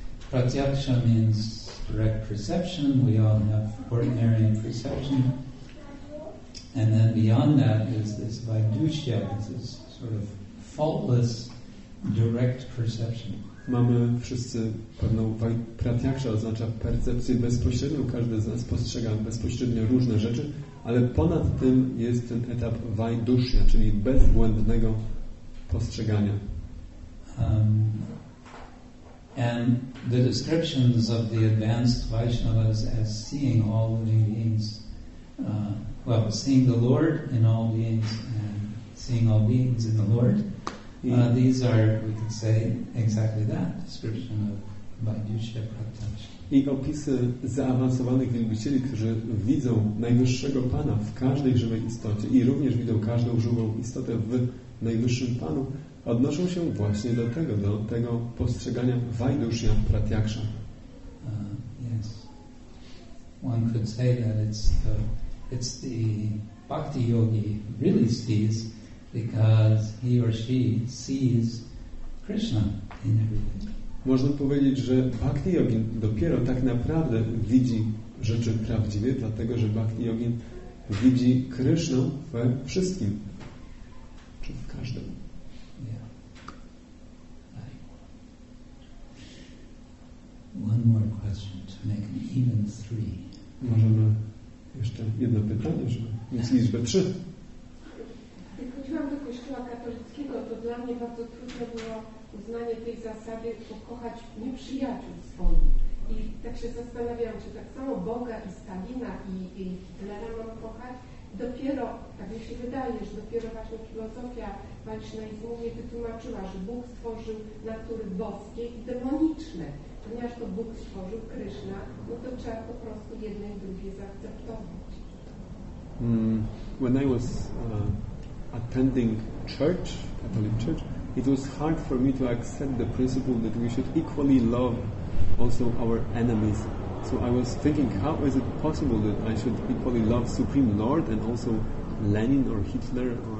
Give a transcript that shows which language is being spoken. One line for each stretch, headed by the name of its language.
English: Pratyaksha means direct perception. We all have ordinary perception. And then beyond that is this Vaidushya, this sort of faultless direct perception.
Polish: Mamy wszyscy pewną pratyaksza, oznacza percepcję bezpośrednią. Każdy z nas postrzega bezpośrednio różne rzeczy, ale ponad tym jest ten etap vaidushya, czyli bezbłędnego postrzegania.
English: And the descriptions of the advanced Vaishnavas as seeing all living beings, well, seeing the Lord in all beings and seeing all beings in the Lord. These are, we could say, exactly that description of Vaidushya Pratyaksha.
Polish: I opisy zaawansowanych wielbicieli, którzy widzą najwyższego Pana w każdej żywej istocie i również widzą każdą żywą istotę w najwyższym Panu, odnoszą się właśnie do tego postrzegania Vaidushya Pratyaksha.
English: Yes. One could say that it's the bhakti yogi really sees, because he or she sees Krishna in everything.
Polish: Można powiedzieć, że bhakti yogin dopiero tak naprawdę widzi rzeczy prawdziwe, dlatego że bhakti yogin widzi Krishna we wszystkim, czy w każdym.
English: Yeah. One more question to make an even three.
Polish: Możemy jeszcze jedno pytanie, żeby mieć liczbę trzy. Chodziłam do kościoła katolickiego, to dla mnie bardzo trudne było uznanie tej zasady pokochać nieprzyjaciół swoich. I tak się zastanawiałam, czy tak samo Boga i Stalina i Hitlera mam kochać. Dopiero, tak mi się wydaje, że dopiero właśnie filozofia vaishnavizmu mnie wytłumaczyła, że Bóg stworzył natury boskie i demoniczne. Ponieważ to Bóg stworzył Krishna, no to trzeba po prostu jedne i drugie zaakceptować.
English: When I was attending church, Catholic church, it was hard for me to accept the principle that we should equally love also our enemies. So I was thinking, how is it possible that I should equally love Supreme Lord and also Lenin or Hitler?